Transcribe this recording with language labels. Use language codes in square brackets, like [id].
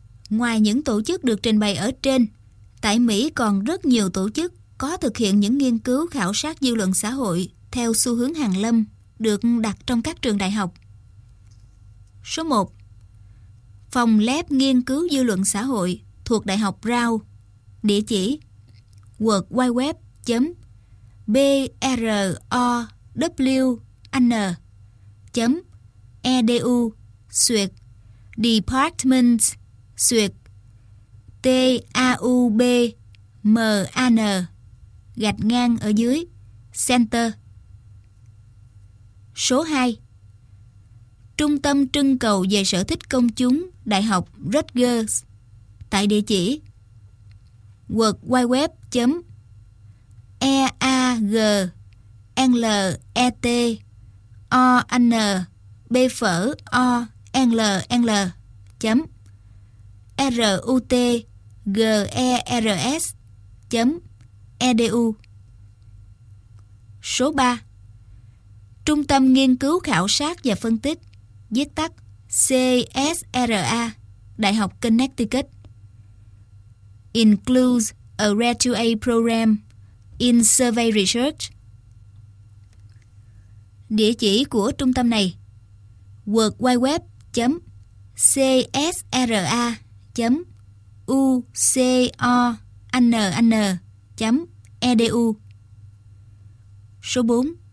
[vi] Ngoài những tổ chức được trình bày ở trên, tại Mỹ còn rất nhiều tổ chức có thực hiện những nghiên cứu khảo sát dư luận xã hội theo xu hướng hàn lâm được đặt trong các trường đại học. Số 1. Phòng lab nghiên cứu dư luận xã hội thuộc Đại học Brown. Địa chỉ: www.brown.edu/department/taubman_center. Số 2. Trung tâm trưng cầu về sở thích công chúng Đại học Rutgers, tại địa chỉ www.eagle.rutgers.edu. Số 3. Trung tâm nghiên cứu khảo sát và phân tích, viết tắt CSRA, Đại học Connecticut. [en] Includes a graduate program in survey research. [vi] Địa chỉ của trung tâm này: www.csra.uconn.edu. Số 4.